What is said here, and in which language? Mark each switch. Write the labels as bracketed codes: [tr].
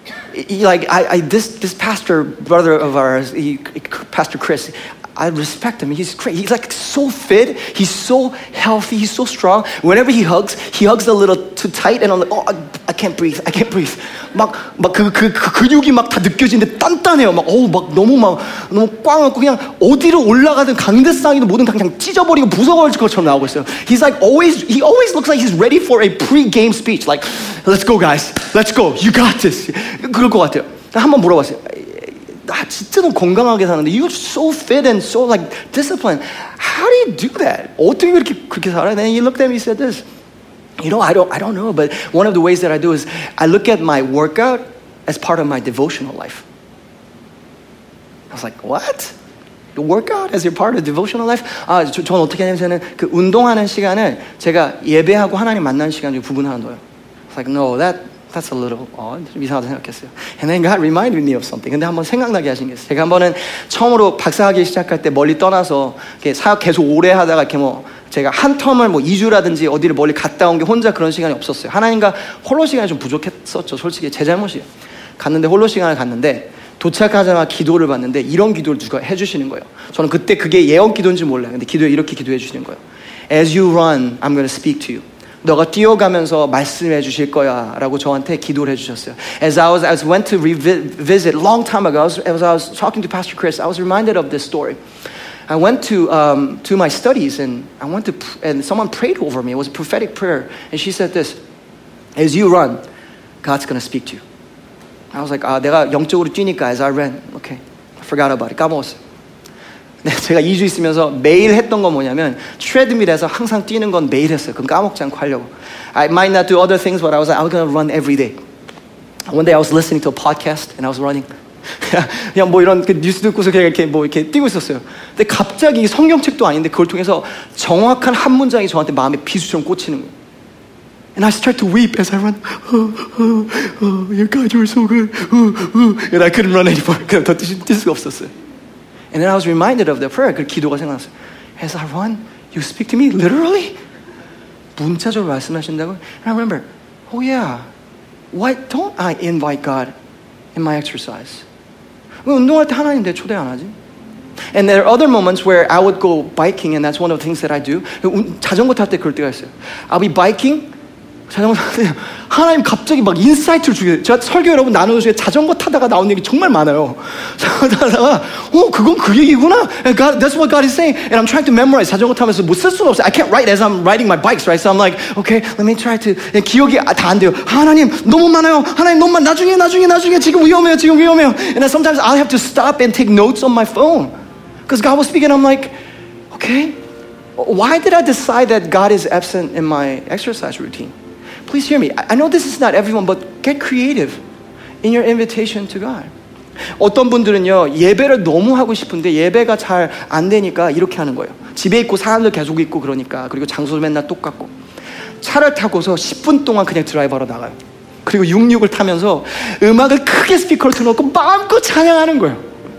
[en] This pastor brother of ours, Pastor Chris, I respect him. He's great. He's like so fit. He's so healthy. He's so strong. Whenever he hugs a little too tight, and I'm like, oh, I can't breathe. I can't breathe. [ko] 막 그 근육이 막 다 느껴지는데 단단해요. 막 어우 막 너무 막 너무 꽝 하고 그냥 어디로 올라가든 강대상이든 뭐든 그냥 찢어버리고 부서버릴 것처럼 나오고 있어요. [en] He's like always. He always looks like he's ready for a pre-game speech. Like, let's go, guys. Let's go. You got this. [ko] 그럴 것 같아요. 한번 물어봤어요. 아, 진짜 너무 건강하게 사는데 [en] you're so fit and so like disciplined. How do you do that? [ko] 어떻게 그렇게 살아? [en] Then he looked at me and said this. You know, I don't know, but one of the ways that I do is I look at my workout as part of my devotional life. I was like, what? The workout as your part of devotional life? [ko] 아, 저는 어떻게 하냐면 그 운동하는 시간을 제가 예배하고 하나님 만나는 시간 중에 부분하는 거예요. [en] I was like, no, that's a little odd. [ko] 좀 이상하다 생각했어요. [en] And then God reminded me of something. [ko] 근데 한번 생각나게 하신 게 있어요. 제가 한번은 처음으로 박사학위 시작할 때 멀리 떠나서 이렇게 사역 계속 오래 하다가 이렇게 뭐 제가 한 텀을 뭐 2주라든지 어디를 멀리 갔다 온 게 혼자 그런 시간이 없었어요. 하나님과 홀로 시간이 좀 부족했었죠. 솔직히 제 잘못이에요. 갔는데 홀로 시간을 갔는데 도착하자마자 기도를 받는데 이런 기도를 누가 해주시는 거예요. 저는 그때 그게 예언 기도인지 몰라요. 근데 기도에 이렇게 기도해 주시는 거예요. [en] As you run, I'm going to speak to you. [ko] 너가 뛰어가면서 말씀해 주실 거야 라고 저한테 기도를 해주셨어요. [en] As I went to visit long time ago, as I was talking to Pastor Chris, I was reminded of this story. I went to my studies and I went to, and someone prayed over me. It was a prophetic prayer. And she said this, as you run, God's going to speak to you. I was like, [ko] 아, 내가 영적으로 뛰니까 [en] as I ran. Okay, I forgot about it. [ko] 까먹었어요. 제가 2주 있으면서 매일 했던 건 뭐냐면 트레드밀에서 항상 뛰는 건 매일 했어요. 그럼 까먹지 않고 하려고. [en] I might not do other things, but I was like, I'm going to run every day. One day I was listening to a podcast and I was running. [ko] 그냥 뭐 이런 그 뉴스 듣고서 그냥 이렇게 뭐 이렇게 뛰고 있었어요. 근데 갑자기 성경책도 아닌데 그걸 통해서 정확한 한 문장이 저한테 마음에 비수처럼 꽂히는 거예요. [en] And I start to weep as I run. You guys were so good. And I couldn't run anymore. [ko] 그냥 더 뛸 수가 없었어요. [en] And then I was reminded of the prayer. [ko] 그 기도가 생각났어요. [en] As I run, you speak to me literally? [ko] 문자적으로 말씀하신다고? [en] And I remember, oh yeah, Why don't I invite God in my exercise? [ko] 너한테 하나님인데 초대 안 하지? [en] And there are other moments where I would go biking, and that's one of the things that I do. [ko] 자전거 탈 때 그럴 때가 있어요. [en] I'll be biking, [ko] 자전거 탈 때 하나님 갑자기 막 인사이트를 주게 돼요. 제가 설교 여러분 나누는 중에 자전거 타다가 나온 얘기 정말 많아요. 자전거 타다가, 오, 그건 그 얘기구나. [en] And God, that's what God is saying. And I'm trying to memorize. [ko] 자전거 타면서 뭐 쓸 수는 없어요. [en] I can't write as I'm riding my bikes, right? So I'm like, okay, let me try to. [ko] 기억이 다 안 돼요. 하나님, 너무 많아요. 하나님, 너무 많아요. 나중에. 지금 위험해요. 지금 위험해요. [en] And then sometimes I have to stop and take notes on my phone. Because God was speaking, I'm like, okay, why did I decide that God is absent in my exercise routine? Please hear me. I know this is not everyone, but get creative in your invitation to God. [ko] 어떤 분들은요, 예배를 너무 하고 싶은데 예배가 잘 안 되니까 이렇게 하는 거예요. 집에 있고 사람들 계속 있고 그러니까, 그리고 장소도 맨날 똑같고. 차를 타고서 10분 동안 그냥 드라이버로 나가요. 그리고 66을 타면서 음악을 크게 스피커를 틀어놓고 마음껏 찬양하는 거예요.